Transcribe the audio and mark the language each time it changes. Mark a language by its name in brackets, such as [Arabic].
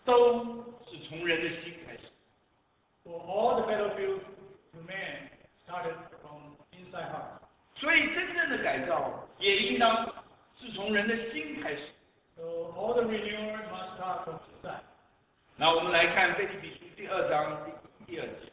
[Chinese] 因为人的战场都是从人的心开始。 [English] For all the battlefields to man started from inside heart. [Chinese] 所以真正的改造也应当是从人的心开始。 [English] So all the renewal must start from inside. [Chinese] 那我们来看腓立比书第二章第一节。